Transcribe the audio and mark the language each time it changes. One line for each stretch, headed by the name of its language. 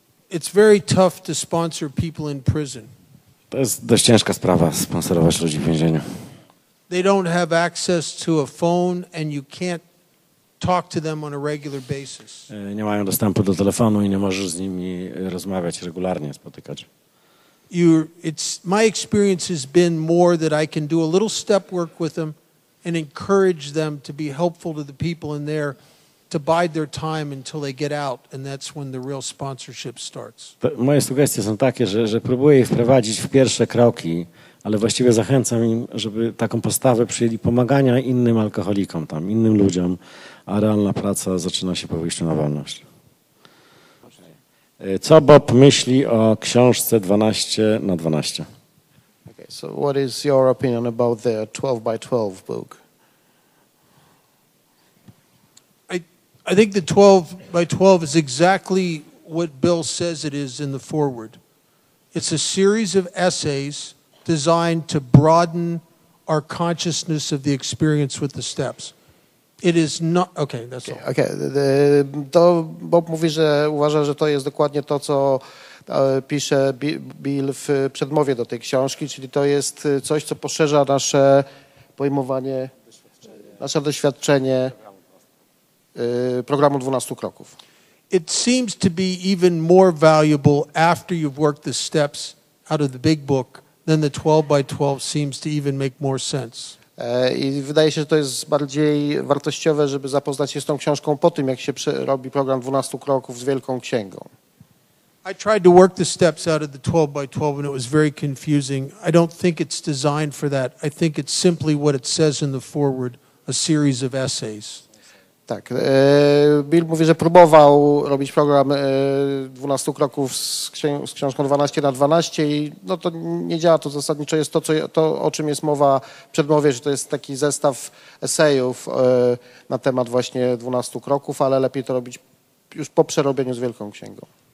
English: It's very tough to sponsor people in prison.
Polish: To jest dość ciężka sprawa sponsorować ludzi w więzieniu.
English: They don't have access to a phone, and you can't talk to them on a regular basis.
Polish: Nie mają dostępu do telefonu i nie możesz z nimi rozmawiać regularnie, spotykać.
English: It's my experience has been more that I can do a little step work with them and encourage them to be helpful to the people in there, to bide their time until they get out, and that's when the real sponsorship starts.
Polish: Moje sugestie są takie, że próbuję ich wprowadzić w pierwsze kroki, ale właściwie zachęcam im, żeby taką postawę przyjęli pomagania innym alkoholikom, tam innym ludziom, a realna praca zaczyna się po wyjściu na wolność. Co Bob myśli o książce 12 na 12?
English: Okay, so what is your opinion about the 12 by 12 book? I think the 12 by 12 is exactly what Bill says it is in the foreword. It's a series of essays designed to broaden our consciousness of the experience with the steps. It is not okay, that's all.
Polish: Okay, to Bob mówi, że uważa, że to jest dokładnie to, co pisze Bill w przedmowie do tej książki, czyli to jest coś, co poszerza nasze pojmowanie, nasze doświadczenie programu 12 kroków.
English: It seems to be even more valuable after you've worked the steps out of the big book, then the 12 by 12 seems to even make more sense.
Polish: I wydaje się, że to jest bardziej wartościowe, żeby zapoznać się z tą książką po tym, jak się robi program 12 kroków z wielką księgą.
English: I tried to work the steps out of the 12 by 12 and it was very confusing. I don't think it's designed for that. I think it's simply what it says in the foreword, a series of essays.
Polish: Tak, Bill mówi, że próbował robić program 12 kroków z książką 12 na 12 i no to nie działa to zasadniczo. Jest to, o czym jest mowa w przedmowie, że to jest taki zestaw esejów na temat właśnie 12 kroków, ale lepiej to robić już po przerobieniu z wielką księgą.